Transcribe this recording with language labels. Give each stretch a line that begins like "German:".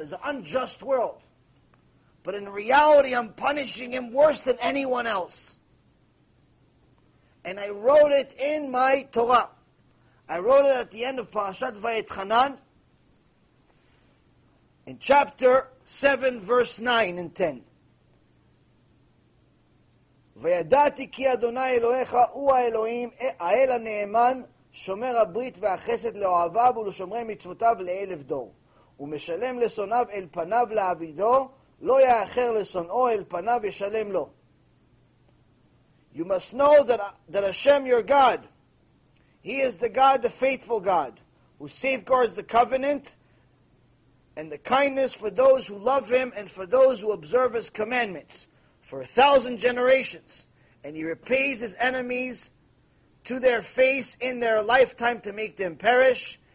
English: It's an unjust world. But in reality, I'm punishing him worse than anyone else. And I wrote it in my Torah. I wrote it at the end of Parashat Vayetchanan, in chapter 7, verse 9 and 10.
Hebrew: וידעתי כי אדוני אלוהיך הוא האלוהים, האל הנאמן, שומר הברית והחסד לאוהביו ולשומרי מצוותיו לאלף דור. הוא משלם לשונאיו אל פניו לעבידו, לא יאחר לשונאו אל פניו ישלם לו.
English: You must know that Hashem your God, He is the God, the faithful God, who safeguards the covenant and the kindness for those who love Him and for those who observe His commandments. For 1,000 generations, and he repays his enemies to their face in their lifetime to make them perish.